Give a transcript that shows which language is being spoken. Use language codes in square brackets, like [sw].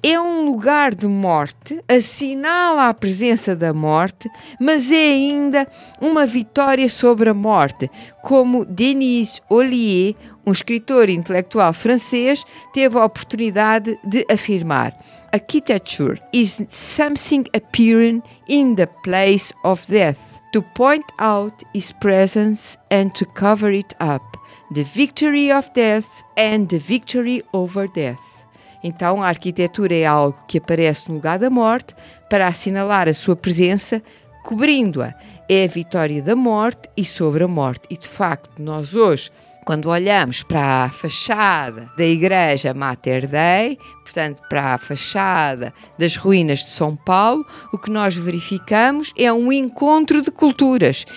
[pt] É um lugar de morte, assinala a presença da morte, mas é ainda uma vitória sobre a morte, como Denis Olier, um escritor intelectual francês, teve a oportunidade de afirmar. [en] Architecture is something appearing in the place of death. To point out its presence and to cover it up. The victory of death and the victory over death. [pt] Então, a arquitetura é algo que aparece no lugar da morte para assinalar a sua presença, cobrindo-a. É a vitória da morte e sobre a morte. E, de facto, nós hoje, quando olhamos para a fachada da Igreja Mater Dei, portanto, para a fachada das ruínas de São Paulo, o que nós verificamos é um encontro de culturas.